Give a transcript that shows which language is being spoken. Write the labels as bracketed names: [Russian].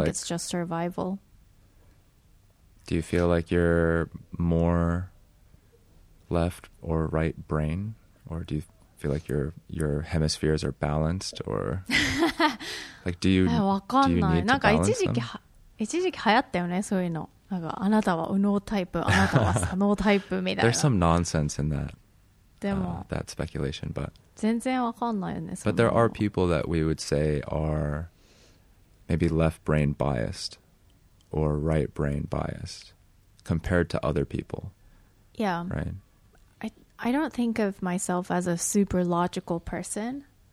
[English] it's just survival? Do you feel like you're more left or right brain, or do you feel like your hemispheres are balanced, or like do you need to balance them? [Japanese] 一時期流行ったよね、 そういうの。そういうの。なんか、 あなたは右脳 タイプ、 あなたは左脳 タイプみたいな。 [English] There's some nonsense in that. [Japanese] でも、 [English] that speculation, but [Japanese] 全然わかんないよね。 [English] But there are people that we would say are maybe left brain biased or right brain biased compared to other people. Yeah. Right. I don't think of myself as a super logical person.